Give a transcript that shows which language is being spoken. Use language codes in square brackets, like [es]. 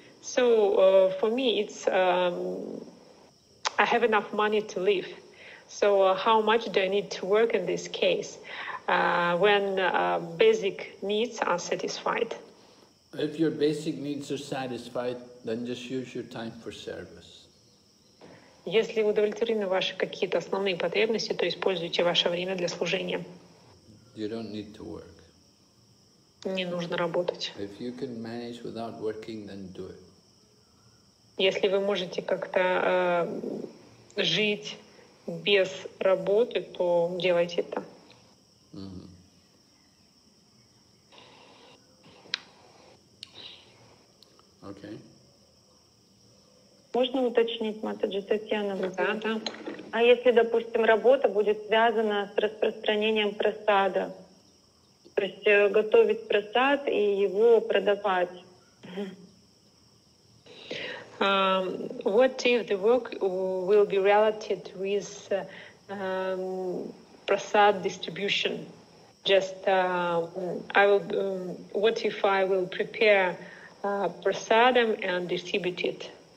[en] So for me, it's I have enough money to live. So how much do I need to work in this case when basic needs are satisfied? If your basic needs are satisfied, then just use your time for service. Если удовлетворены ваши какие-то основные потребности, то используйте ваше время для служения. You don't need to work. Не нужно работать. If you can manage without working, then do it. Если вы можете как-то жить без работы, то делайте это. Mm-hmm. Okay. [ru] Можно уточнить, Матаджи Татьяна? Да, да. А если, допустим, работа будет связана с распространением просада, то есть готовить просад и его продавать? [en] What if the work will be related with prasad distribution? Just I will. What if I will prepare prasadam and distribute it?